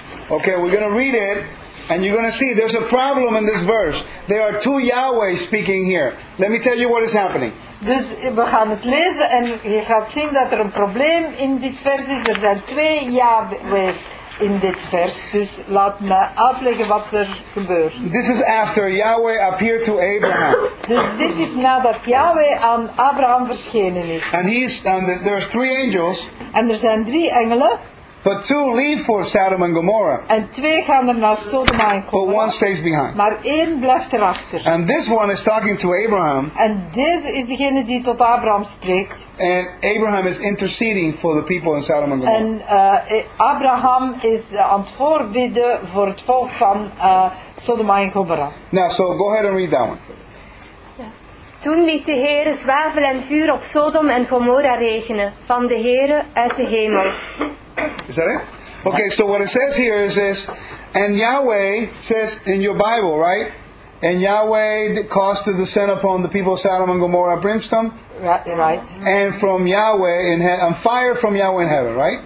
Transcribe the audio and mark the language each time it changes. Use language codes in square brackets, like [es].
[en] Okay, we're going to read it, and you're going to see there's a problem in this verse. There are two Yahweh speaking here. Let me tell you what is happening. [nl] Dus we gaan het lezen, en je gaat zien dat er een probleem in dit vers is. Er zijn twee Yahweh's. In dit vers. Dus laat me uitleggen wat er gebeurt. [en] This is after Yahweh appeared to Abraham. [nl] Dus dit is nadat Yahweh aan Abraham verschenen is. [en] And there's three angels. [nl] En er zijn drie engelen. [en] But two leave for Sodom and Gomorrah. [nl] En twee gaan er naar Sodom en Gomorra. [en] But one stays behind. [nl] Maar één blijft erachter. [en] And this one is talking to Abraham. [nl] En deze is degene die tot Abraham spreekt. [en] And Abraham is interceding for the people in Sodom and Gomorrah. [nl] En Abraham is aan het voorbidden voor het volk van Sodom en Gomorra. [en] Now, so go ahead and read that one. [nl] Toen liet de Heere zwavel en vuur op Sodom en Gomorra regenen van de Heere uit de hemel. [en] Is that it? Okay, so what it says here is this, and Yahweh says in your Bible, right? And Yahweh caused to descend upon the people of Sodom and Gomorrah brimstone. Right. And from Yahweh in heaven, and fire from Yahweh in heaven, right?